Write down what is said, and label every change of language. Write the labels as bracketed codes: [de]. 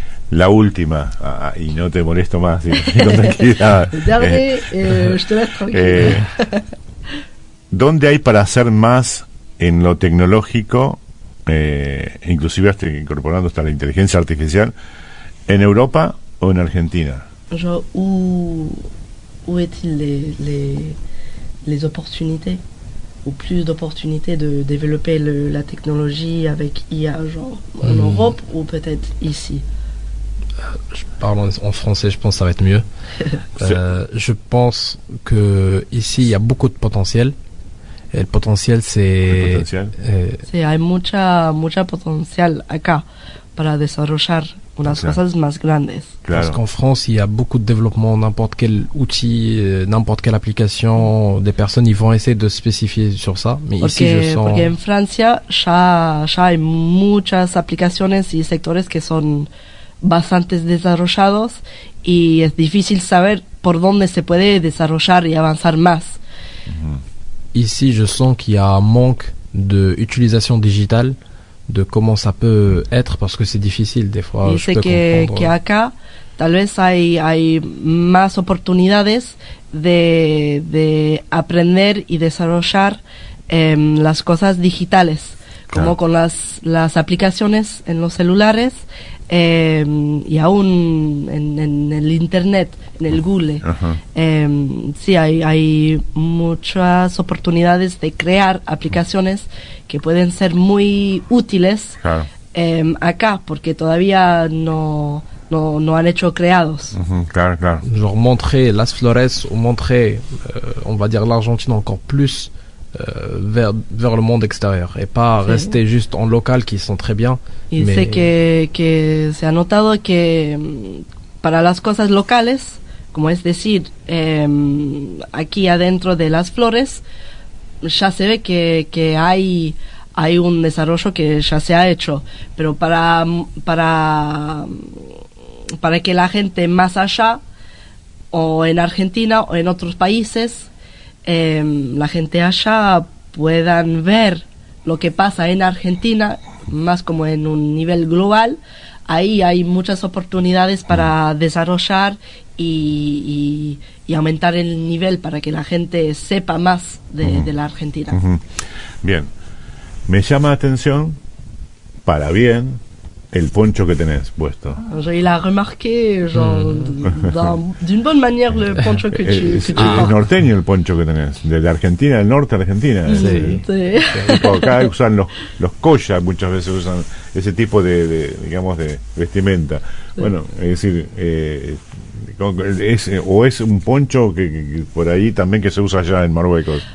[es] La última, y no te molesto más, con tranquilidad. Ya ve, ¿dónde hay para hacer más en lo tecnológico, inclusive hasta incorporando hasta la inteligencia artificial, en Europa o en Argentina? [fr] Yo, ¿où est-il les opportunités, ou plus d'opportunités de développer la technologie avec IA, genre en Europe ou peut-être ici? Je parle en français, je pense que ça va être mieux. Je pense que ici il y a beaucoup de potentiel. Et le potentiel, c'est. [es] Sí, hay mucha potencial acá para desarrollar unas cosas más grandes. Claro. [fr] Parce qu'en France, il y a beaucoup de développement, n'importe quel outil, n'importe quelle application, des personnes, ils vont essayer de spécifier sur ça. Mais [es] porque, [fr] ici, je sens. [es] Porque en Francia, ya hay muchas aplicaciones y sectores que son bastante desarrollados y es difícil saber por dónde se puede desarrollar y avanzar más. Uh-huh. [fr] Ici, je sens qu'il y a un manque de utilisation digitale, de comment ça peut être, parce que c'est difficile des fois. [es] Dice que acá tal vez hay más oportunidades de aprender y desarrollar las cosas digitales, claro. como con las aplicaciones en los celulares. Y aún en el internet, en el Google, uh-huh. Sí, hay muchas oportunidades de crear aplicaciones que pueden ser muy útiles claro. Acá, porque todavía no han hecho creados. Uh-huh. Claro, claro. [fr] Genre montrer Las Flores o montrer, on va dire, l'Argentine encore plus vers le monde extérieur et pas sí. rester juste en local qui sont très bien. [es] Y mais... sé que se ha notado que para las cosas locales, como es decir, aquí adentro de las flores, ya se ve que hay un desarrollo que ya se ha hecho, pero para que la gente más allá, o en Argentina o en otros países, la gente allá puedan ver lo que pasa en Argentina, más como en un nivel global, ahí hay muchas oportunidades para desarrollar y aumentar el nivel para que la gente sepa más de, uh-huh. de la Argentina. Uh-huh. Bien, me llama la atención, para bien, el poncho que tenés puesto. [fr] Je l'ai remarqué, d'une bonne manière, le poncho que tu [es] es norteño el poncho que tenés, desde Argentina, del norte de Argentina. Sí. Acá usan los collas, muchas veces usan ese tipo de digamos, de vestimenta. Sí. Bueno, es decir, ¿es un poncho que por ahí también que se usa allá en Marruecos?